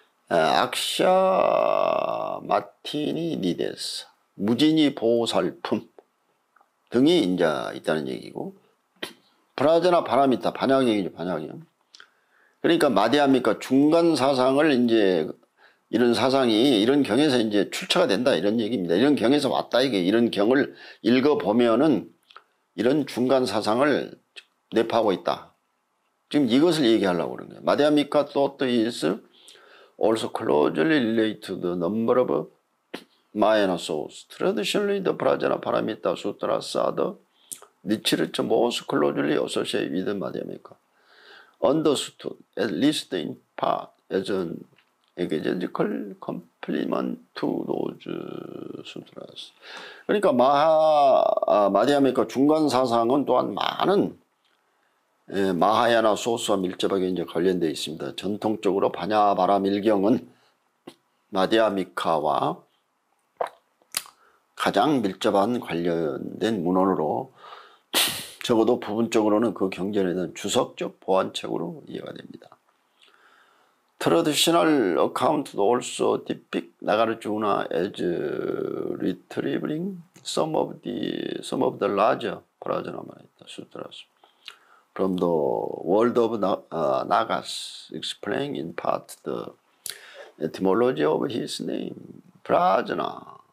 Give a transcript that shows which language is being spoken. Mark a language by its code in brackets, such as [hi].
[ko] 악샤 마티니 니데스 무진이 보살품 등이 이제 있다는 얘기고 프라제나 바라미타 반야경이죠 반야경 그러니까 마디아미카 중간 사상을 이제 이런 사상이 이런 경에서 이제 출처가 된다 이런 얘기입니다 이런 경에서 왔다 이게 이런 경을 읽어보면은 이런 중간 사상을 내포하고 있다 지금 이것을 얘기하려고 그런 거예요 마디아미카 또 [en] is also closely related to the number of Mahayana source. Traditionally, the Prajna Paramita Sutras are the literature most closely associated with Madhyamika. Understood, at least in part, as an exegetical complement to those sutras. [ko] 그러니까, 마디아메카 중간 사상은 또한 많은 마하야나 소스와 밀접하게 이제 관련되어 있습니다. 전통적으로 반야바라밀경은 마디아미카와 가장 밀접한 관련된 문헌으로 적어도 부분적으로는 그 경전에 대한 주석적 보완책으로 이해가 됩니다. [en] Traditional accounts also depict Nagarjuna as retrieving some of the larger Prajnaparamita sutras from the world of Nagas, explaining in part the etymology of his name, Prajna.